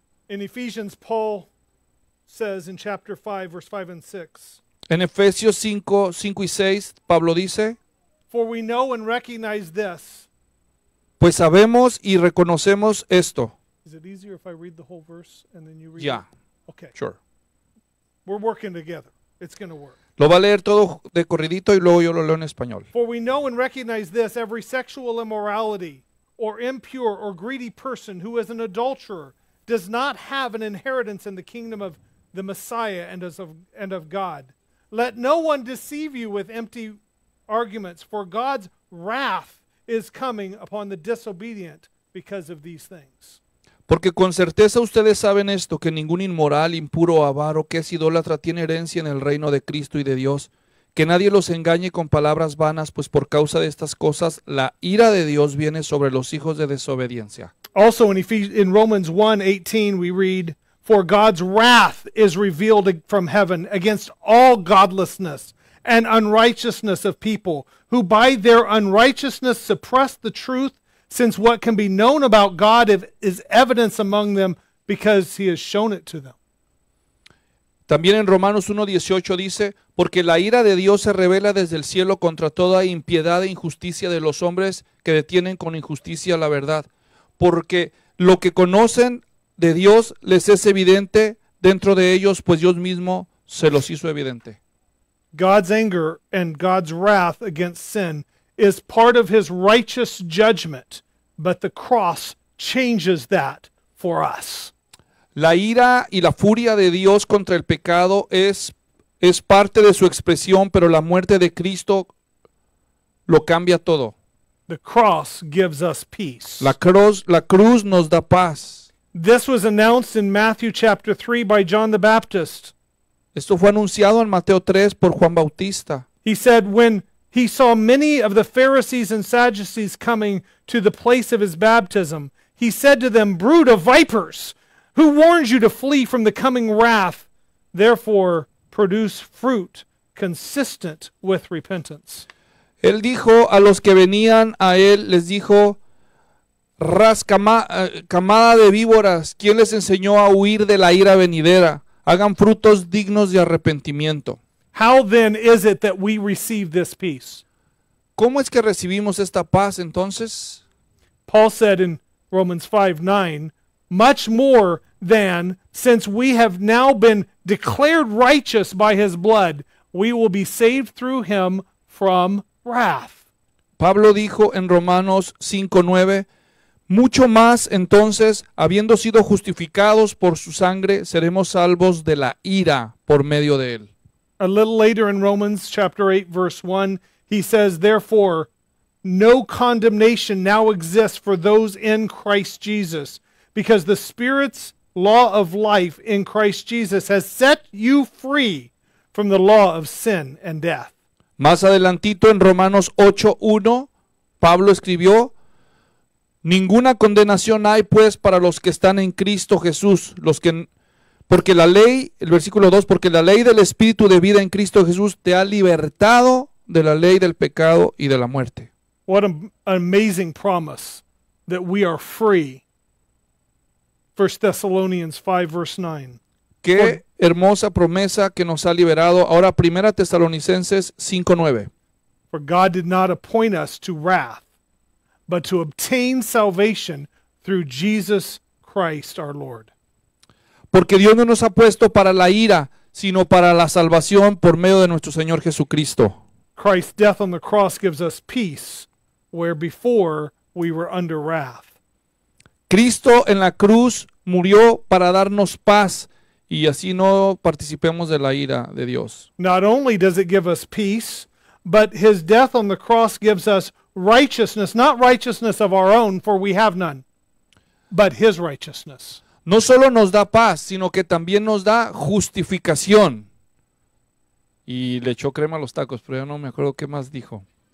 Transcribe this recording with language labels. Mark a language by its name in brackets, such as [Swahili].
[English] In Ephesians, Paul says in chapter 5, verse 5 and 6. [Spanish] En Efesios 5, 5 y 6, Pablo dice. [English] For we know and recognize this. [Spanish] Pues sabemos y reconocemos esto. [English] Is it easier if I read the whole verse and then you read yeah. it? Yeah, okay. Sure. We're working together. It's going to work. [Spanish] Lo va a leer todo de corridito y luego yo lo leo en español. [English] For we know and recognize this, every sexual immorality or impure or greedy person who is an adulterer does not have an inheritance in the kingdom of the Messiah and of God. Let no one deceive you with empty arguments, for God's wrath is coming upon the disobedient because of these things. [Spanish] Porque con certeza ustedes saben esto, que ningún inmoral, impuro, avaro, que es idólatra, tiene herencia en el reino de Cristo y de Dios. Que nadie los engañe con palabras vanas, pues por causa de estas cosas, la ira de Dios viene sobre los hijos de desobediencia. [English] Also in Romans 1:18 we read, for God's wrath is revealed from heaven against all godlessness and unrighteousness of people who by their unrighteousness suppress the truth, since what can be known about God is evidence among them because he has shown it to them. [Spanish] También en Romanos 1:18 dice, porque la ira de Dios se revela desde el cielo contra toda impiedad e injusticia de los hombres que detienen con injusticia la verdad, porque lo que conocen de Dios les es evidente dentro de ellos, pues Dios mismo se los hizo evidente. [English] God's anger and God's wrath against sin is part of his righteous judgment, but the cross changes that for us. [Spanish] La ira y la furia de Dios contra el pecado es parte de su expresión, pero la muerte de Cristo lo cambia todo. [English] The cross gives us peace. [Spanish] La cruz nos da paz. [English] This was announced in Matthew chapter 3 by John the Baptist. [Spanish] Esto fue anunciado en Mateo 3 por Juan Bautista. [English] He said when he saw many of the Pharisees and Sadducees coming to the place of his baptism, he said to them, brood of vipers! Who warns you to flee from the coming wrath? Therefore, produce fruit consistent with repentance. [Spanish] Él dijo a los que venían a él, les dijo, camada de víboras, ¿quién les enseñó a huir de la ira venidera? Hagan frutos dignos de arrepentimiento. [English] How then is it that we receive this peace? [Spanish] ¿Cómo es que recibimos esta paz entonces? [English] Paul said in Romans 5:9, much more than, since we have now been declared righteous by his blood, we will be saved through him from wrath. [Spanish] Pablo dijo en Romanos 5:9, mucho más entonces, habiendo sido justificados por su sangre, seremos salvos de la ira por medio de él. [English] A little later in Romans chapter 8, verse 1, he says, therefore, no condemnation now exists for those in Christ Jesus. Because the Spirit's law of life in Christ Jesus has set you free from the law of sin and death. [Spanish] Más adelantito en Romanos 8:1, Pablo escribió, ninguna condenación hay pues para los que están en Cristo Jesús, porque la ley, el versículo 2, porque la ley del Espíritu de vida en Cristo Jesús te ha libertado de la ley del pecado y de la muerte. [English] What an amazing promise that we are free. 1 Thessalonians 5, verse 9. [Spanish] Qué hermosa promesa que nos ha liberado. Ahora, 1 Tesalonicenses 5, 9. [English] For God did not appoint us to wrath, but to obtain salvation through Jesus Christ our Lord. [Spanish] Porque Dios no nos ha puesto para la ira, sino para la salvación por medio de nuestro Señor Jesucristo. [English] Christ's death on the cross gives us peace where before we were under wrath. [Spanish] Cristo en la cruz murió para darnos paz y así no participemos de la ira de Dios. [English] Not only does it give us peace, but his death on the cross gives us righteousness, not righteousness of our own, for we have none, but his righteousness. [Spanish] No solo nos da paz, sino que también nos da justificación. Y le echó crema a los tacos, pero ya no me acuerdo qué más dijo.